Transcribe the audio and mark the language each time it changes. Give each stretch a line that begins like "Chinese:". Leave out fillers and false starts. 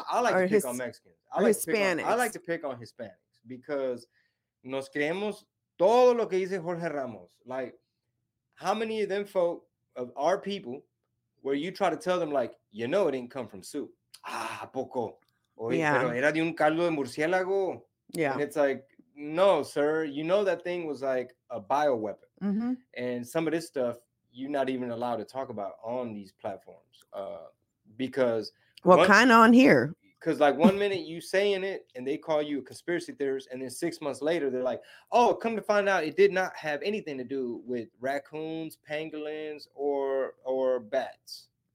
English: I like to pick on Mexicans. I like to pick on Hispanics because
Spanish: nos creemos todo lo que dice Jorge Ramos.
English: Like, how many of them folk of our people where you try to tell them, like, you know, it didn't come from soup?
Spanish: Ah, poco. Oye, yeah. Pero era de un caldo de murciélago.
English: Yeah. And it's like, no, sir. You know, that thing was like a bioweapon. Mm-hmm. And some of this stuff you're not even allowed to talk about on these platforms because what kind on here? Because like one minute you saying it and they call you a conspiracy theorist. And then 6 months later, they're like, oh, come to find out it did not have anything to do with raccoons, pangolins or bats.